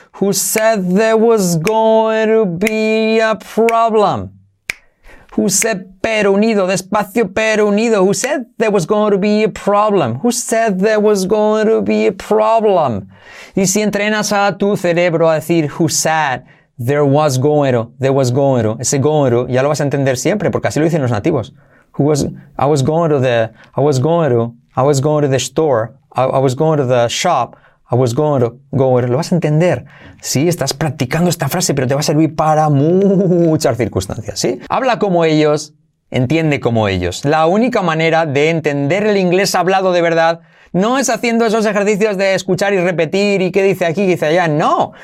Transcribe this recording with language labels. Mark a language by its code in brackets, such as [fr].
[en] Who said there was going to be a problem? Who said, [es] pero unido, despacio, pero unido. [en] Who said there was going to be a problem? Who said there was going to be a problem? [es] Y si entrenas a tu cerebro a decir, [en] who said, there was going to, there was going to. [es] Ese going to, ya lo vas a entender siempre, porque así lo dicen los nativos. [en] Who was, I was going to the, I was going to, I was going to the store, I was going to the shop. I was going to, going to. [es] Lo vas a entender. Sí, estás practicando esta frase, pero te va a servir para muchas circunstancias, ¿sí? Habla como ellos, entiende como ellos. La única manera de entender el inglés hablado de verdad no es haciendo esos ejercicios de escuchar y repetir y qué dice aquí, qué dice allá. ¡No!